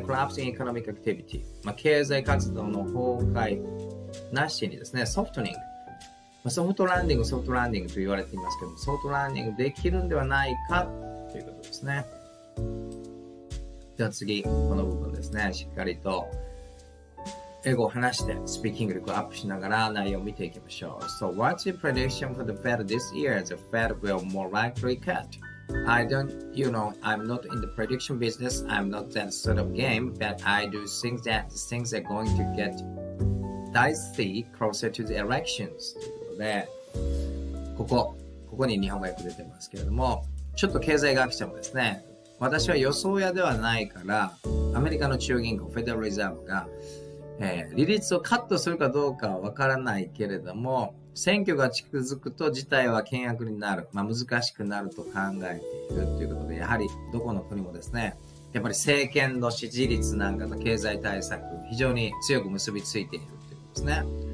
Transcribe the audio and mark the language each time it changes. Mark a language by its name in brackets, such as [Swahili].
[Japanese] コラプスインエコノミックアクティビティ、まあ、経済活動の崩壊なしにですね、ソフトニング、ソフトランディング、ソフトランディングと言われていますけども、ソフトランディングできるんではないかということですね。では次、この部分ですね、しっかりと英語を話して、スピーキング力をアップしながら内容を見ていきましょう。 [English] So, what's your prediction for the Fed this year? The Fed will more likely cut. I don't, you know, I'm not in the prediction business. I'm not that sort of game, but I do think that things are going to get dicey closer to the elections. [Japanese] でここに日本語訳出てますけれども、ちょっと経済学者もですね、私は予想屋ではないから、アメリカの中央銀行フェデラルリザーブが、利率をカットするかどうかは分からないけれども、選挙が近づくと事態は険悪になる、まあ、難しくなると考えているということで、やはりどこの国もですね、やっぱり政権の支持率なんかの経済対策非常に強く結びついているということですね。